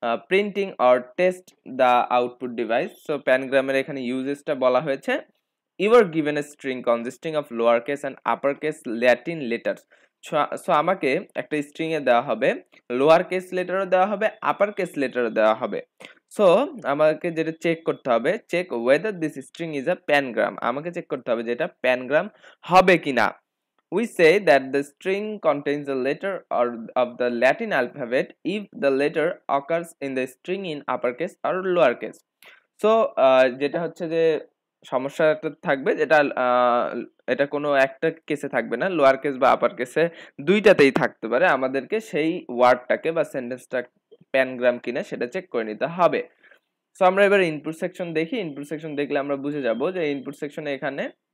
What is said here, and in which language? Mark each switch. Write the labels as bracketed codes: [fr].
[en] printing or test the output device so [bn] প্যানগ্রামের এখানে ইউজেসটা বলা হয়েছে [en] You are given a string consisting of lowercase and uppercase Latin letters. [bn] So, আমাকে একটা string দেওয়া হবে, lowercase letter দেওয়া হবে, uppercase letter দেওয়া হবে. [en] So, [bn] আমাকে যেটা [en] check [bn] করতে হবে, [en] check whether this string is a pangram. [bn] আমাকে check করতে হবে যেটা pangram হবে কিনা. [en] We say that the string contains a letter or of the Latin alphabet if the letter occurs in the string in uppercase or lowercase. [bn] So, যেটা হচ্ছে যে সমস্যাটা থাকবে যেটা এটা কোনো একটা কেসে থাকবে না লোয়ার কেস বা আপার কেসে দুইটাতেই থাকতে পারে আমাদেরকে সেই ওয়ার্ডটাকে বা সেন্টেন্সটা প্যানগ্রাম কিনা সেটা চেক করে নিতে হবে সো আমরা এবার ইনপুট সেকশন দেখি ইনপুট সেকশন দেখলে আমরা বুঝে যাব যে ইনপুট সেকশনে এখানে